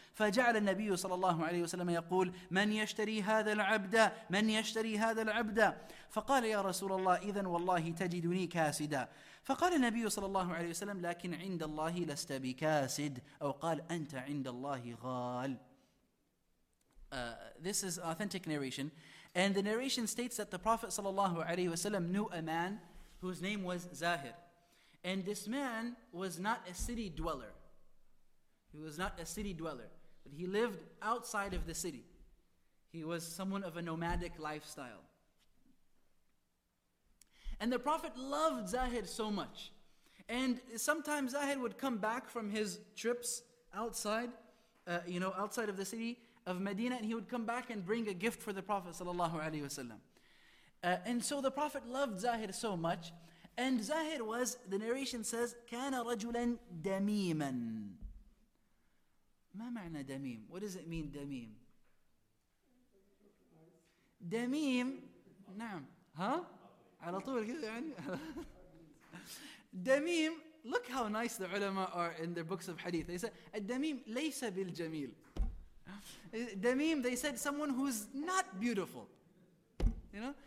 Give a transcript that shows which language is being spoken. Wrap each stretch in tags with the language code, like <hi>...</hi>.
<ar>فجعل النبي صلى الله عليه وسلم يقول من يشتري هذا العبد من يشتري هذا العبد. فقال يا رسول الله إذن والله تجدني كاسدا. فقال النبي صلى الله عليه وسلم لكن عند الله لست بكاسد. أو قال أنت عند الله غال.</ar> <en>This is authentic narration. And the narration states that the Prophet sallallahu alaihi wasallam knew a man whose name was Zahir. And this man was not a city dweller. He was not a city dweller. But he lived outside of the city. He was someone of a nomadic lifestyle. And the Prophet loved Zahir so much. And sometimes Zahir would come back from his trips outside, outside of the city of Medina, and he would come back and bring a gift for the Prophet sallallahu alaihi wasallam. And so the Prophet loved Zahir so much, and Zahir was, the narration says,</en> <ar>كَانَ رَجُلًا دَمِيمًا. مَا مَعْنَى دَمِيم?</ar> <en>What does it mean, دَمِيم?</en> <ar>دَمِيم, نعم, huh? على طول كده يعني.</ar> <en>دَمِيم, look how nice the ulama are in their books of hadith. They say,</en> <ar>الدَمِيم لَيْسَ بِالْجَمِيلِ.</ar> <en>Damim, they said someone who's not beautiful. You know?</en>